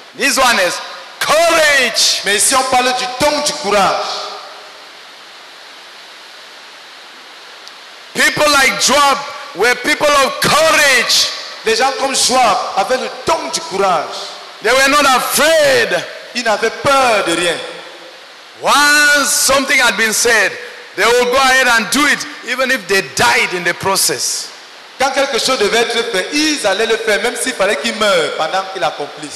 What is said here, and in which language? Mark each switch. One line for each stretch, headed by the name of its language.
English: This one is courage.
French: Mais ici on parle du don du courage.
English: People like Joab were people of courage.
French: Les gens comme Joab avaient le don du courage.
English: They were not afraid.
French: Ils n'avaient peur de rien.
English: Once something had been said, they will go ahead and do it, even if they died in the process.
French: Quand quelque chose devait être fait, ils allaient le faire, même s'il fallait qu'ils meurent pendant qu'ils l'accomplissent.